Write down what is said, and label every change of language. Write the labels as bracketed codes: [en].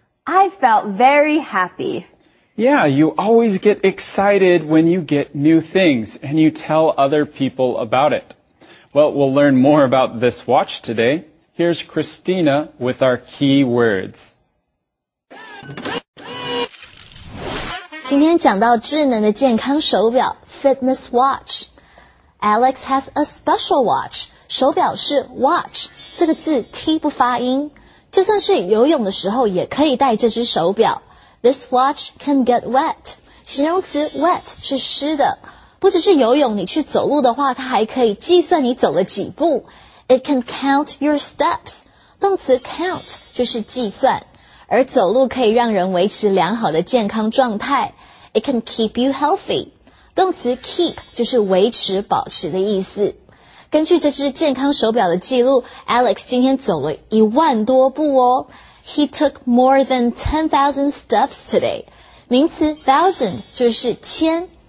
[en] I felt very happy. Yeah, you always get excited when you get new things and you tell other people about it. Well, we'll learn more about this watch today. Here's Christina with our key words. [zh] 今天讲到智能的健康手表 ,fitness watch. [en] Alex has a special watch. [zh] 手表是 watch, 这个字 T 不发音。就算是游泳的时候也可以戴这只手表。 [en] This watch can get wet. [zh] 形容词 wet 是湿的。不只是游泳，你去走路的话，它还可以计算你走了几步。 [en] It can count your steps. [zh] 动词 count 就是计算。而走路可以让人维持良好的健康状态。 [en] It can keep you healthy. [zh] 动词 keep 就是维持、保持的意思。根据这只健康手表的记录 ,Alex 今天走了10,000多步哦。 [en] He took more than 10,000 steps today. [zh] 名词 thousand 就是千。